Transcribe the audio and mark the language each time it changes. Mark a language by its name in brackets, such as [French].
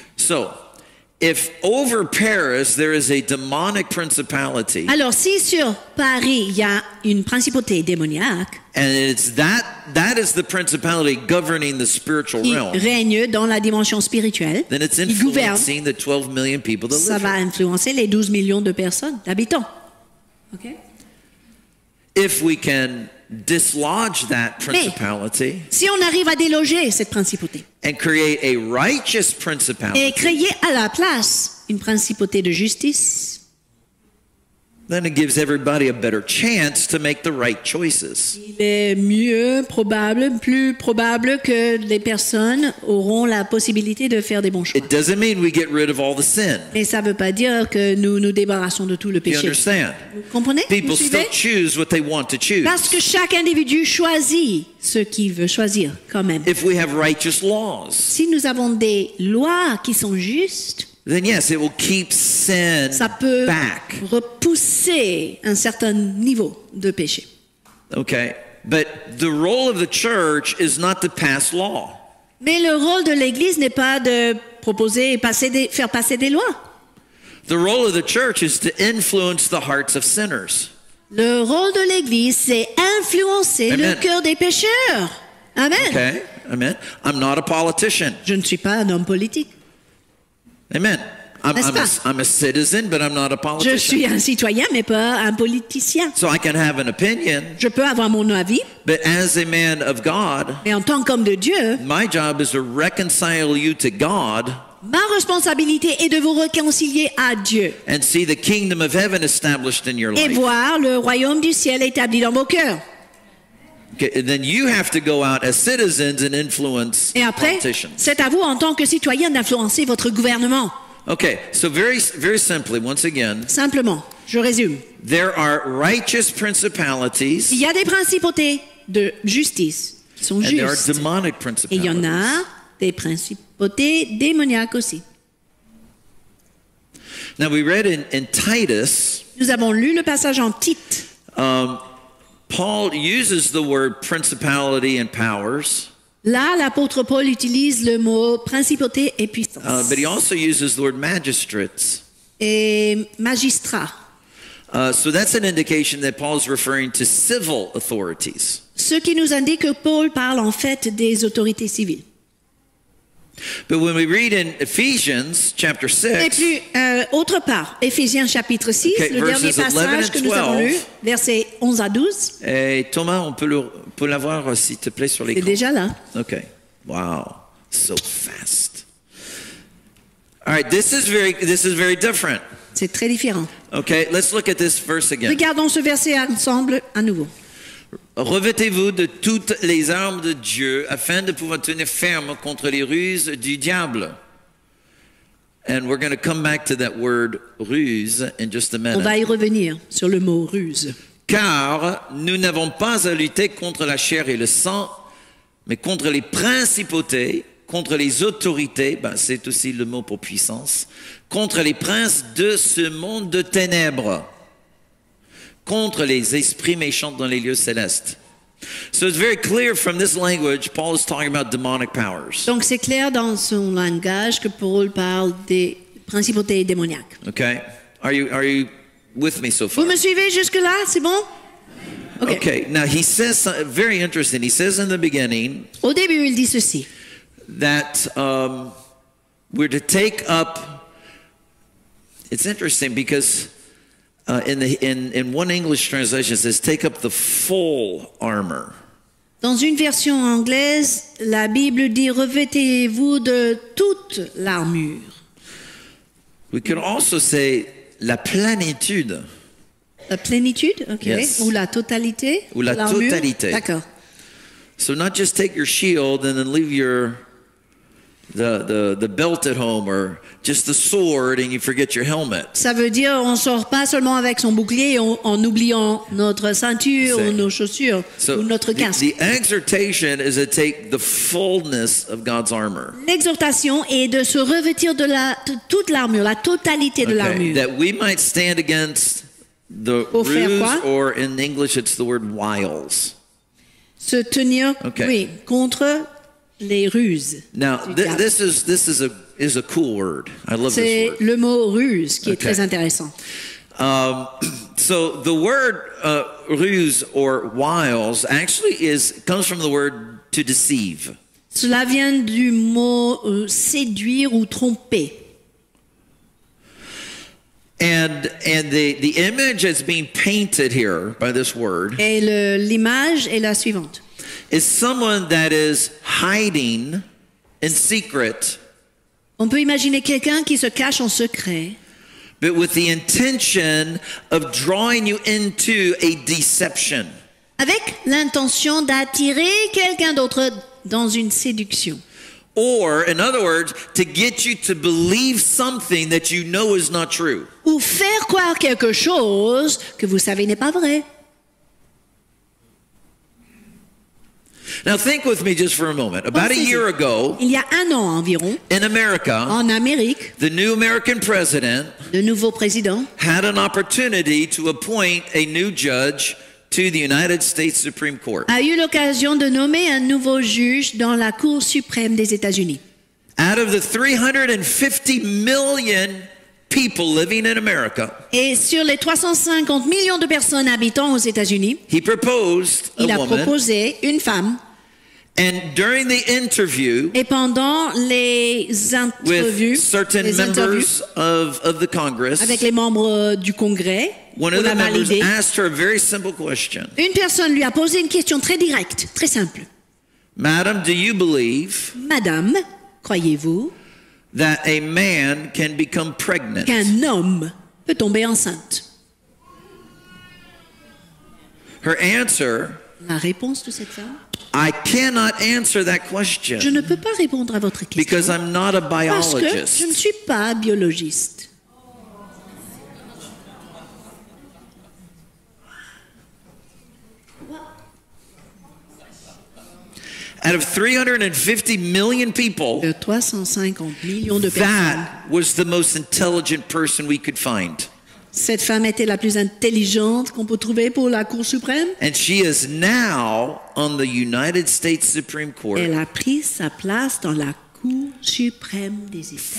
[English] So, if over Paris there is a demonic principality, [French] alors si sur Paris il y a une principauté démoniaque, [English] and it's that is the principality governing the spiritual realm, [French] règne dans la dimension spirituelle, [English] then it's influencing the 12 million people that [French] ça Ça va influencer les 12 millions de personnes d'habitants. [English] Okay. If we can dislodge that principality, [French] mais si on arrive à déloger cette principauté, [English] and create a righteous principality, [French] et créer à la place une principauté de justice, [English] then it gives everybody a better chance to make the right choices. [French] Il est mieux probable, plus probable que les personnes auront la possibilité de faire des bons choix. [English] It doesn't mean we get rid of all the sin. [French] Et ça veut pas dire que nous nous débarrassons de tout le péché. [English] You understand? [French] Vous comprenez? [English] People still choose what they want to choose. [French] Parce que chaque individu choisit ce qu'il veut choisir quand même. [English] If we have righteous laws. [French] Si nous avons des lois qui sont justes, [English] then yes, it will keep sin back. [French] Ça peut repousser un certain niveau de péché. [English] Okay, but the role of the church is not to pass law. [French] Mais le rôle de l'Église n'est pas de proposer et faire passer des lois. [English] The role of the church is to influence the hearts of sinners. [French] Le rôle de l'Église, c'est influencer le cœur des pécheurs. [English] Amen. Okay, amen. I'm not a politician. [French] Je ne suis pas un homme politique. [English] Amen. I'm a citizen, but I'm not a politician. [French] Je suis un citoyen, mais pas un politicien. [English] So I can have an opinion. [French] Je peux avoir mon avis. [English] But as a man of God, [French] mais en tant qu'homme de Dieu, [English] my job is to reconcile you to God. [French] Ma responsabilité est de vous réconcilier à Dieu. [English] And see the kingdom of heaven established in your life. [French] Et voir le royaume du ciel établi dans vos cœurs. [English] Okay, and then you have to go out as citizens and influence [French] et après, [English] politicians. [French] C'est à vous en tant que citoyen d'influencer votre gouvernement. [English] Okay, so very, very simply, once again. [French] Simplement, je résume. [English] There are righteous principalities. [French] Il y a des principautés de justice qui sont [English] and [French] justes. [English] And there are demonic principalities. [French] Et il y en a des principautés démoniaques aussi. [English] Now we read in Titus. [French] Nous avons lu le passage en Tite. [English] Paul uses the word principality and powers. [French] Là, l'apôtre Paul utilise le mot principauté et puissance. [English] But he also uses the word magistrates. [French] Et magistrat. [English] So that's an indication that Paul's referring to civil authorities. [French] Ce qui nous indique que Paul parle en fait des autorités civiles. [English] But when we read in Ephesians chapter 6, [French] et puis, autre part, Ephésiens chapitre 6, [English] okay, [French] le dernier passage que nous avons lu, versets 11 à 12. Et Thomas, on peut l'avoir, s'il te plaît, sur l'écran. C'est déjà là. [English] Okay. Wow. So fast. All right, this is very different. [French] C'est très différent. [English] Okay, let's look at this verse again. [French] Regardons ce verset ensemble à nouveau. Revêtez-vous de toutes les armes de Dieu afin de pouvoir tenir ferme contre les ruses du diable. [English] And we're going to come back to that word ruse in just a minute. [French] On va y revenir sur le mot ruse. Car nous n'avons pas à lutter contre la chair et le sang, mais contre les principautés, contre les autorités, ben c'est aussi le mot pour puissance, contre les princes de ce monde de ténèbres. Contre les esprits méchants dans les lieux célestes. [English] So it's very clear from this language, Paul is talking about demonic powers. [French] Donc c'est clair dans son langage que Paul parle des principautés démoniaques. [English] Okay. Are you with me so far? [French] Vous me suivez jusque là, c'est bon? [English] Okay. Okay. Now he says something very interesting. He says in the beginning. [French] Au début, il dit ceci. [English] That we're to take up. It's interesting because. In one English translation, it says, "Take up the full armor." [French] Dans une version anglaise, la Bible dit, "Revêtez-vous de toute l'armure." [English] We could also say, [French] "La plénitude." La plénitude, okay. [English] Yes. [French] Ou la totalité. Ou la l'armure. Totalité. D'accord. [English] So not just take your shield and then leave the belt at home or just the sword and you forget your helmet. [French] Ça veut dire on sort pas seulement avec son bouclier en oubliant notre ceinture ou nos chaussures ou notre casque. [English] The exhortation is to take the fullness of God's armor. [French] L'exhortation est de se revêtir de toute l'armure, la totalité de l'armure. [English] That we might stand against the ruse, or in English it's the word wiles. [French] Se tenir, okay. Oui, contre les ruses. [English] Now, this is a cool word. I love [French] c'est [English] this word. [French] C'est le mot ruse qui okay. est très intéressant. [English] So the word ruse or wiles actually comes from the word to deceive. [French] Cela vient du mot séduire ou tromper. [English] And the image that's being painted here by this word. [French] Et l'image est la suivante. [English] Is someone that is hiding in secret. [French] On peut imaginer quelqu'un qui se cache en secret. [English] But with the intention of drawing you into a deception. [French] Avec l'intention d'attirer quelqu'un d'autre dans une séduction. [English] Or, in other words, to get you to believe something that you know is not true. [French] Ou faire croire quelque chose que vous savez n'est pas vrai. [English] Now think with me just for a moment. About a year ago, [French] il y a un an environ, [English] in America, [French] en Amérique, [English] the new American president, [French] le nouveau président, [English] had an opportunity to appoint a new judge to the United States Supreme Court. [French] A eu l'occasion de nommer un nouveau juge dans la Cour suprême des États-Unis. [English] Out of the 350 million people living in America. [French] Et sur les 350 millions de personnes habitant aux États-Unis. [English] He proposed [French] il [English] a woman, [French] proposé une femme. [English] And during the interview. [French] Et pendant les interviews. [English] With certain [French] les [English] members of the Congress. [French] Avec les membres du Congrès. [English] One of the members asked her a very simple question. [French] Une personne lui a posé une question très directe, très simple. [English] Madam, do you believe? [French] Madame, croyez-vous? [English] That a man can become pregnant. [French] Qu'un homme peut tomber enceinte. [English] Her answer. [French] La réponse de cette femme. [English] I cannot answer that question. [French] Je ne peux pas répondre à votre question. [English] Because I'm not a biologist. [French] Parce que je ne suis pas biologiste. [English] Out of 350 million people, [French] de 350 millions de personnes, [English] that was the most intelligent person we could find. [French] Cette femme était la plus intelligente qu'on peut trouver pour la Cour suprême. [English] And she is now on the United States Supreme Court. [French] Elle a pris sa place dans la Cour suprême des États-Unis.